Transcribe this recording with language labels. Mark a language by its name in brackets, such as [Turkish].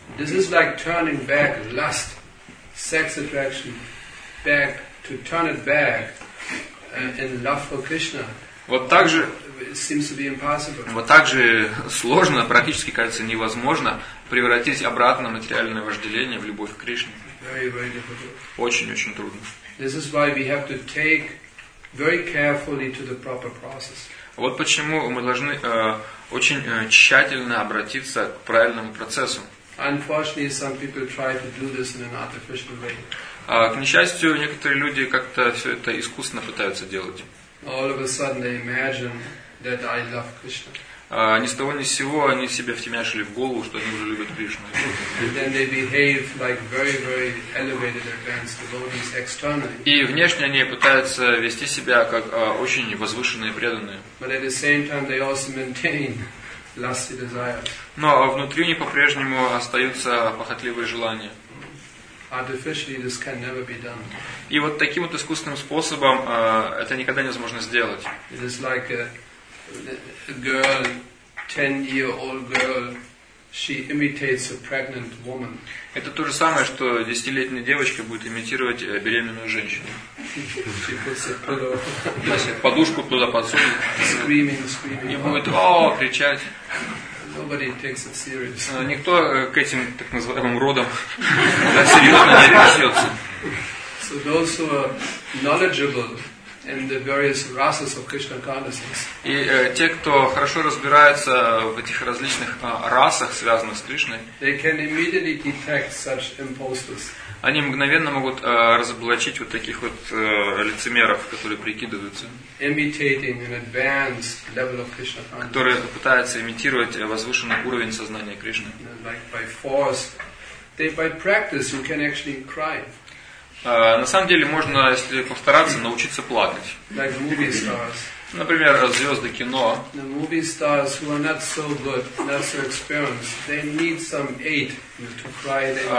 [English] This is like turning back lust. Sex attraction back to turn it back and love for Krishna. [Russian] Вот так же, [English] seems to be impossible. [Russian] Вот так же сложно, практически кажется невозможно превратить обратно материальное вожделение в любовь к Кришне. Очень-очень трудно. [English] This is why we have to take very carefully to the proper process. [Russian] Вот почему мы должны очень тщательно обратиться к правильному процессу. [English] Unfortunately, some people try to do this in an artificial way. [Russian] К несчастью, некоторые люди как-то все это искусственно пытаются делать. [English] All of a sudden, they imagine that I love Krishna. [Russian] Ни с того ни с сего они себе втемяшили в голову, что они уже любят Кришну. [English] And then they behave like very, very elevated advanced devotees externally. [Russian] И внешне они пытаются вести себя как очень возвышенные преданные. [English] But at the same time, they also maintain lusty desires. [Russian] Но внутри них по-прежнему остаются похотливые желания. [English] Artificially, this can never be done. [Russian] И вот таким вот искусственным способом это никогда невозможно сделать. [English] It is like a girl, 10-year-old girl, she imitates a pregnant woman. [Russian] Это то же самое, что 10-летняя девочка будет имитировать беременную женщину. [English] She puts a pillow. [Russian] Подушку туда подсунет. [English] Screaming. [Russian] И будет кричать. [English] Nobody takes it seriously. [Russian] Никто к этим так называемым родам серьезно не относится. [English] So those who are knowledgeable in the various rasas of Krishna consciousness. [Russian] И те, кто хорошо разбирается в этих различных расах, связанных с Кришной. [English] They can immediately detect such impostors. [Russian] Они мгновенно могут разоблачить вот таких вот лицемеров, которые прикидываются. [English] Imitating an advanced level of Krishna consciousness. [Russian] Которые пытаются имитировать возвышенный уровень сознания Кришны. [English] Like by force. They, by practice, you can actually cry. [Russian] На самом деле можно, если постараться, научиться плакать. [English] Like movie stars. [Russian] Например, звезды кино. [English] The movie stars who are not so good, not so experienced, they need some aid to cry.